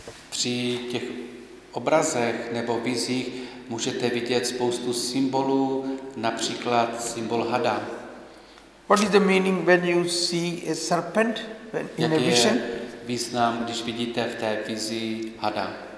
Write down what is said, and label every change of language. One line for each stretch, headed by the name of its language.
Czech: Při těch obrazech nebo vizích můžete vidět spoustu symbolů, například symbol hada.
English: What is the meaning when you see a serpent in a vision?
Czech: Jaký je význam, když vidíte v té vizi hada?